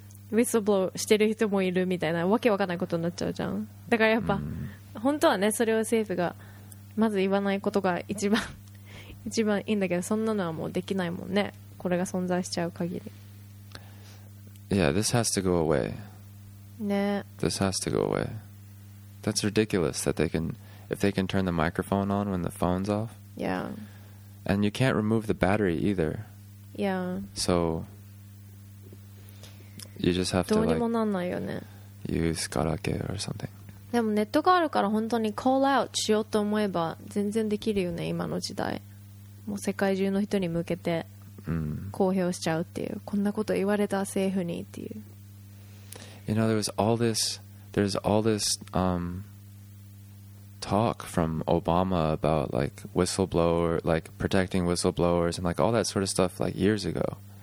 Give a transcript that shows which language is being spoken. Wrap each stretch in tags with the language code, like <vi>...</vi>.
<ja>ウィスブローしてる人もいるみたいなわけわかんないことになっちゃうじゃん。だからやっぱ、本当はねそれを政府がまず言わないことが一番いいんだけど、そんなのはもうできないもんね、これが存在しちゃう限り。</ja> <en>Yeah, this has to go away.</en> <ja>ね、</ja> <en>This has to go away. That's ridiculous that they can if they can turn the microphone on when the phone's off. Yeah. And you can't remove the battery either. Yeah. SoYou just have</en> <ja>どうにもなんないよね。</ja> <en>Use ガラケー or something。</en> <ja>でもネットがあるから本当に call out しようと思えば全然できるよね、今の時代。もう世界中の人に向けて公表しちゃうっていう、こんなこと言われた政府にっていう。</ja> <en>You know, there's all this talk from Obama about like whistleblower, like protecting whistleblowers and like all that sort of stuff like years ago.</en>